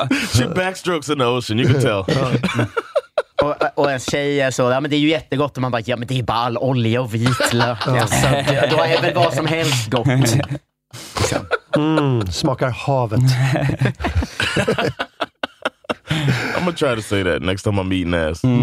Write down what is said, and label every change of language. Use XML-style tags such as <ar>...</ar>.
<en>She backstrokes in the ocean, you can tell.</en> <sv>Och en tjej är så, ja men det är ju jättegott. Och man bara, ja men det är bara all olja och vitlök. Alltså, då är väl vad som helst gott. Smakar havet.</sv> <en>I'm gonna try to say that next time I'm eating ass.</en>